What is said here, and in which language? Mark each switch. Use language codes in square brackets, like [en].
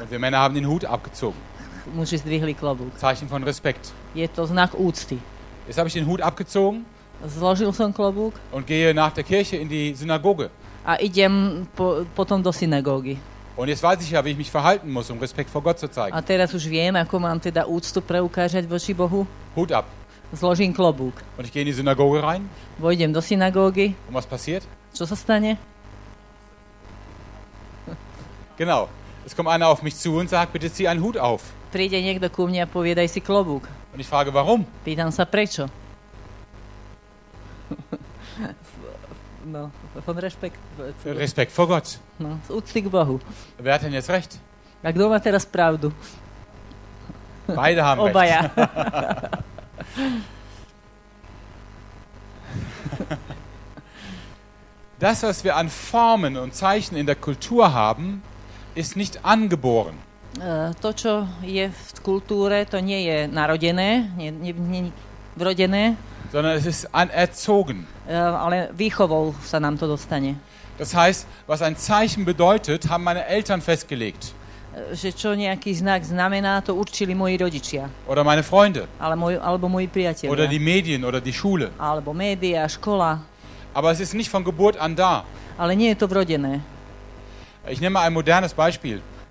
[de] Und wir Männer haben den Hut abgezogen. [sk] Muži zdvihli klobúk. [de] Zeichen von Respekt. [sk] Je to znak úcty. [de] Jetzt habe ich den Hut abgezogen. [sk] Zložil som klobúk. [de] Und gehe nach der Kirche in die Synagoge. [sk] A idem potom do synagógy. [de] Und jetzt weiß ich ja, wie ich mich verhalten muss, um Respekt vor Gott zu zeigen. [sk] A teraz už viem, ako mám teda úctu preukážať voči Bohu. [de] Hut ab. [sk] Zložím klobúk. [de] Und ich gehe in die Synagoge rein. [sk] Vojdem do synagógy. [de] Und was passiert? [sk] Čo sa stane? [de] Genau. Es kommt einer auf mich zu und sagt, bitte zieh einen Hut auf. [sk] Príde niekto ku mne a povie, daj si klobúk. [de] Und ich frage, warum? [sk] Pýtam sa, prečo? [de] No, von Respekt. Respekt vor Gott. [sk] No, z úcty k Bohu. [de] Wer hat denn jetzt recht? [sk] A kto má teraz pravdu? [de] Beide haben recht. [sk] Obaja. [de] Das, was wir an Formen und Zeichen in der Kultur haben, ist nicht angeboren. [sk] To, čo je v kultúre, to nie je narodené, nie vrodené. [de] Sondern es ist anerzogen. [sk] Ale výchovou sa nám to dostane. [de] Das heißt, was ein Zeichen bedeutet, haben meine Eltern festgelegt. [sk] Že čo nejaký znak znamená, to určili moji rodičia. [de] Oder meine Freunde. [sk] Alebo moji priatelia. [de] Oder die Medien oder die Schule. [sk] Alebo média, škola. [de] Aber es ist nicht von Geburt an da. [sk] Ale nie je to vrodené. [de] Ich nehme ein modernes Beispiel.